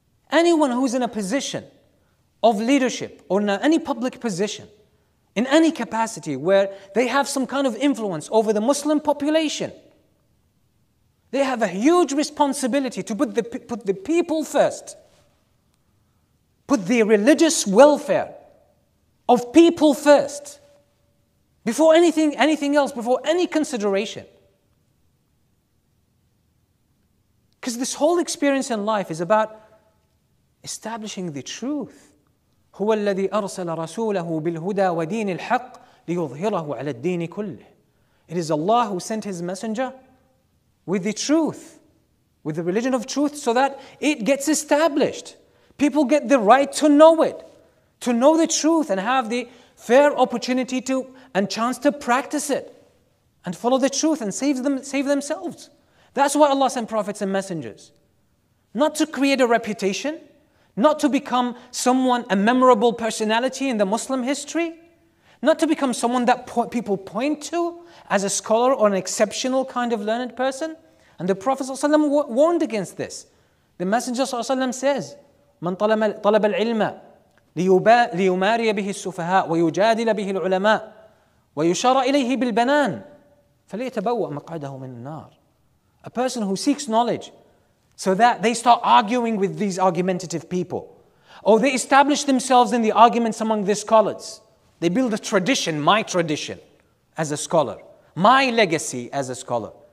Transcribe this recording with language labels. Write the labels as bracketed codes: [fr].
[en] Anyone who's in a position of leadership or in any public position, in any capacity where they have some kind of influence over the Muslim population, they have a huge responsibility to put the people first, put the religious welfare of people first, before anything else, before any consideration. Because this whole experience in life is about establishing the truth. [ar] هو الذي أرسل رسوله بالهدى ودين الحق ليظهره على الدين كله. [en] It is Allah who sent His messenger with the truth, with the religion of truth, so that it gets established. People get the right to know it, to know the truth and have the fair opportunity to and chance to practice it and follow the truth and save themselves. That's why Allah sent prophets and messengers. Not to create a reputation, not to become someone, a memorable personality in the Muslim history, not to become someone that people point to as a scholar or an exceptional kind of learned person. And the Prophet ﷺ warned against this. The Messenger ﷺ says, [ar] "من طلب العلم ليماري به السفهاء ويجادل به العلماء ويشار إليه بالبنان فليتبوأ مقعده من النار." [en] A person who seeks knowledge so that they start arguing with these argumentative people, or they establish themselves in the arguments among the scholars. They build a tradition, my tradition as a scholar, my legacy as a scholar.